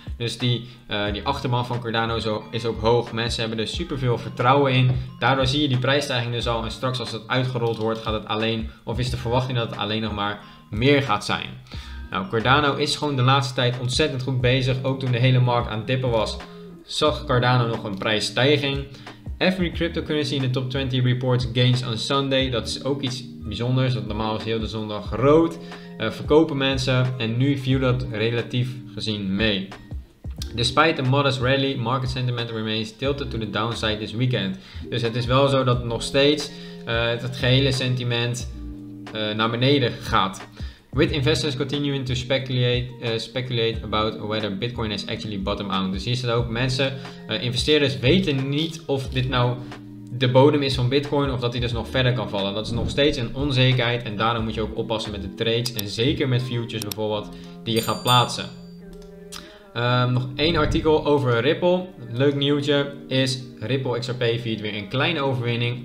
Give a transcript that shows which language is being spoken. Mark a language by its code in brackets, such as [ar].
[nl] Dus die achterban van Cardano is ook hoog. Mensen hebben er superveel vertrouwen in. Daardoor zie je die prijsstijging dus al. En straks als het uitgerold wordt, gaat het alleen, of is de verwachting dat het alleen nog maar meer gaat zijn. Nou, Cardano is gewoon de laatste tijd ontzettend goed bezig. Ook toen de hele markt aan het dippen was, zag Cardano nog een prijsstijging. [en] Every cryptocurrency [nl] in de top 20 [en] reports gains on Sunday. [nl] Dat is ook iets bijzonders. Dat normaal is heel de zondag rood. Verkopen mensen. En nu viel dat relatief gezien mee. [en] Despite a modest rally, market sentiment remains tilted to the downside this weekend. [nl] Dus het is wel zo dat nog steeds het gehele sentiment naar beneden gaat. [en] With investors continuing to speculate about whether Bitcoin is actually bottom out. [nl] Dus hier staat ook mensen, investeerders weten niet of dit nou de bodem is van Bitcoin of dat hij dus nog verder kan vallen. Dat is nog steeds een onzekerheid en daarom moet je ook oppassen met de trades en zeker met futures bijvoorbeeld die je gaat plaatsen. Nog één artikel over Ripple. Leuk nieuwtje is Ripple XRP viert weer een kleine overwinning.